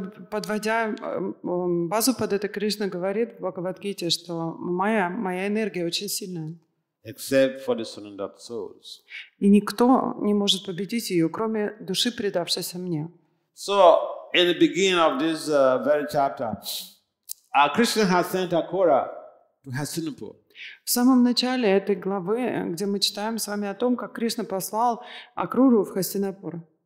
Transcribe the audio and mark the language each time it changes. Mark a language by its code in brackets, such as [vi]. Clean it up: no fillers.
[ru] Подводя базу под это, Кришна говорит в Бхагавад-гите, что моя энергия очень сильная. [en] Except for the surrendered souls. [ru] И никто не может победить ее, кроме души, предавшейся мне. [en] So, in the beginning of this very chapter, Krishna has sent Akura to Hastinapur. [ru] В самом начале этой главы, где мы читаем с вами о том, как Кришна послал Акуру в Хастинапур.